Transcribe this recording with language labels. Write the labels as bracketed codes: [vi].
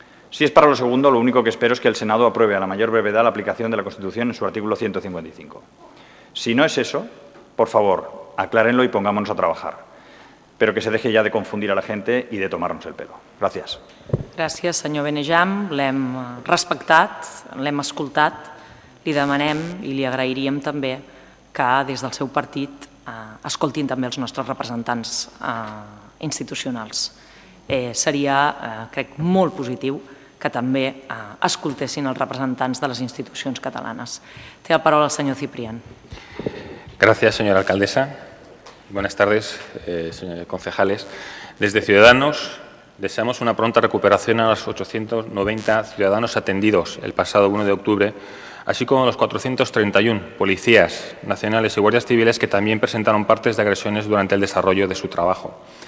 [es] Si es para lo segundo, lo único que espero es que el Senado apruebe a la mayor brevedad la aplicación de la Constitución en su artículo 155. Si no es eso, por favor, aclárenlo y pongámonos a trabajar. Pero que se deje ya de confundir a la gente y de tomarnos el pelo. Gracias. [ca] Gràcies, senyor Benejam. L'hem respectat, l'hem escoltat. Li demanem i li agrairíem també que des del seu partit escoltin també els nostres representants institucionals. Seria, crec, molt positiu que també escoltessin els representants de les institucions catalanes. Té la paraula el senyor Ciprián. [es] Gracias, señora alcaldesa. Buenas tardes, señores concejales. Desde Ciudadanos deseamos una pronta recuperación a los 890 ciudadanos atendidos el pasado 1 de octubre, así como a los 431 policías nacionales y guardias civiles que también presentaron partes de agresiones durante el desarrollo de su trabajo.